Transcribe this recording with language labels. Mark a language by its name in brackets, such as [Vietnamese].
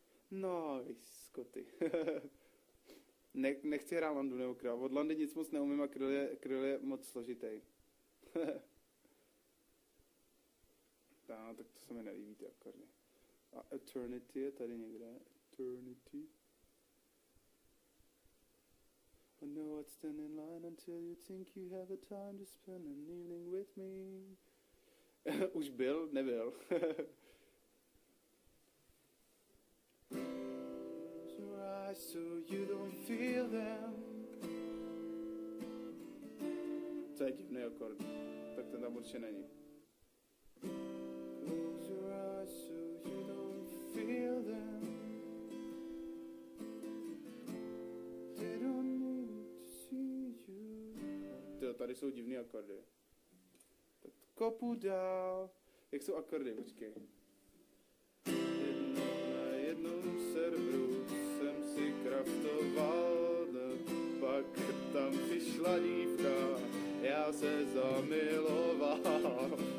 [Czech] Nice, Scotty. Nechci hrát Landu nebo Krill. Od Landy nic moc neumím a Krill je moc složitý. No, tak to se mi nelíbí ty akordy. A Eternity je tady někde. Eternity. [English] I know what's stand in line until you think you have the time to spend an evening with me. [Czech] Už byl, nebyl. [English] Close your eyes so you don't feel them. [Czech] To je divný akord. Tak ten tam určitě není. [English] Close your eyes so you don't feel them. They don't need to see you. [Czech] Tyjo, tady jsou divný akordy. Kopu dál. Jak jsou akordy, počkej. Jedno na jednom serveru jsem si kraftoval, pak tam přišla dívka, já se zamiloval.